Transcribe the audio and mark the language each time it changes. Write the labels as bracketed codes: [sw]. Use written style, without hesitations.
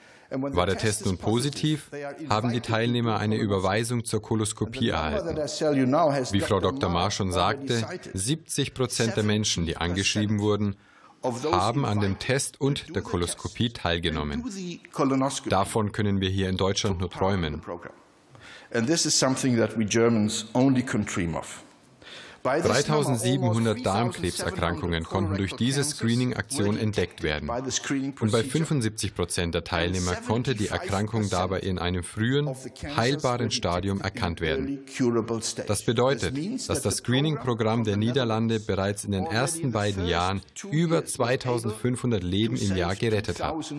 [de] War der Test nun positiv, haben die Teilnehmer eine Überweisung zur Koloskopie erhalten. Wie Frau Dr. Ma schon sagte, 70% der Menschen, die angeschrieben wurden, haben an dem Test und der Koloskopie teilgenommen. Davon können wir hier in Deutschland nur träumen. [en] And this is something that we Germans only can dream of. [de] 3.700 Darmkrebserkrankungen konnten durch diese Screening-Aktion entdeckt werden. Und bei 75% der Teilnehmer konnte die Erkrankung dabei in einem frühen, heilbaren Stadium erkannt werden. Das bedeutet, dass das Screening-Programm der Niederlande bereits in den ersten beiden Jahren über 2.500 Leben im Jahr gerettet hat.